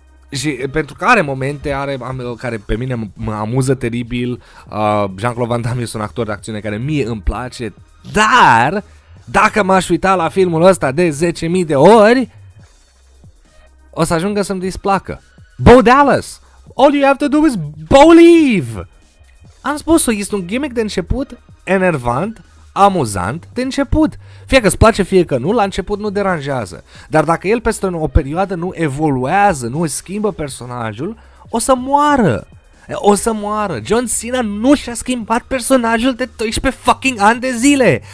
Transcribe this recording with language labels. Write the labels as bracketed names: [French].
[Romanian] Și pentru că are momente, care pe mine mă amuză teribil, Jean-Claude Van Damme este un actor de acțiune care mie îmi place, dar dacă m-aș uita la filmul ăsta de 10.000 de ori, o să ajungă să-mi displacă. [English] Bo Dallas, all you have to do is believe. [Romanian] Am spus-o, este un gimmick de început enervant, amuzant, de început. Fie că îți place, fie că nu, la început nu deranjează. Dar dacă el peste o perioadă nu evoluează, nu schimbă personajul, o să moară. O să moară. John Cena nu și-a schimbat personajul de 12 fucking ani de zile.